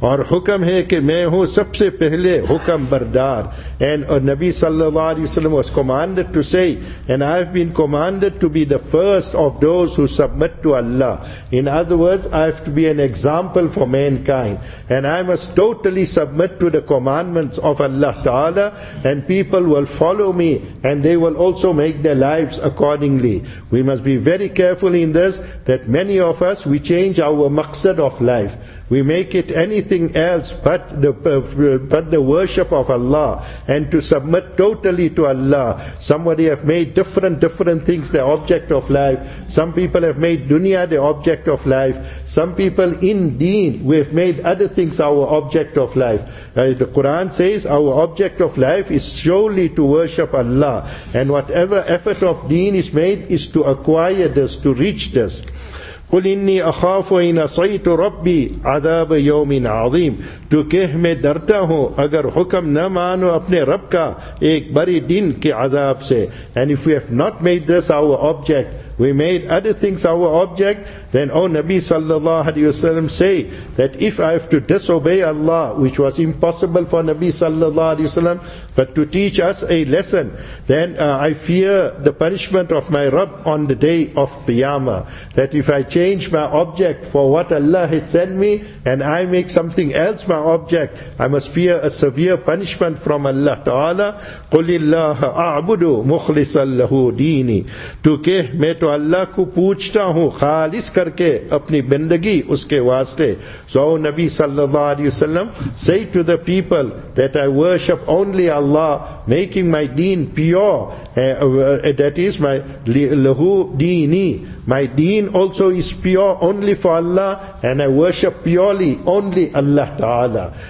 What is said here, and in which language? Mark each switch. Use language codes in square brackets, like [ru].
[ur] اور حکم ہے کہ میں ہوں سب سے پہلے حکم بردار. [en] And Nabi sallallahu alayhi wa sallam was commanded to say, and I have been commanded to be the first of those who submit to Allah. In other words, I have to be an example for mankind. And I must totally submit to the commandments of Allah Ta'ala, and people will follow me, and they will also make their lives accordingly. We must be very careful in this, that many of us, we change our maqsad of life. We make it anything else but the worship of Allah, and to submit totally to Allah. Somebody have made different things their object of life. Some people have made dunya their object of life. Some people in deen, we have made other things our object of life. The Quran says our object of life is surely to worship Allah. And whatever effort of deen is made is to acquire this, to reach this. [ar] قُلْ إِنِّي أَخَافُ إِنَ صَيْتُ رَبِّي عَذَابَ يَوْمٍ عَظِيمٍ. [ur] تو کہہ میں ڈرتا ہوں اگر حکم نہ مانو اپنے رب کا ایک بڑی دن کے عذاب سے. [en] And if we have not made this our object, we made other things our object, then O Nabi sallallahu alayhi wasallam say that if I have to disobey Allah, which was impossible for Nabi sallallahu alayhi wasallam, but to teach us a lesson, then I fear the punishment of my Rabb on the day of Qiyamah. That if I change my object for what Allah had sent me, and I make something else my object, I must fear a severe punishment from Allah Ta'ala. [ar] قُلِ اللَّهَ أَعْبُدُ مُخْلِصًا لَهُ دِينِ. [ur] تو کہ میں تو اللہ کو پوچھتا ہوں خالص کر کے اپنی بندگی اس کے واسطے. [en] So Nabi sallallahu alayhi wa sallam say to the people that I worship only Allah, making my deen pure, that is my lahu deeni. My deen also is pure only for Allah, and I worship purely only Allah Ta'ala.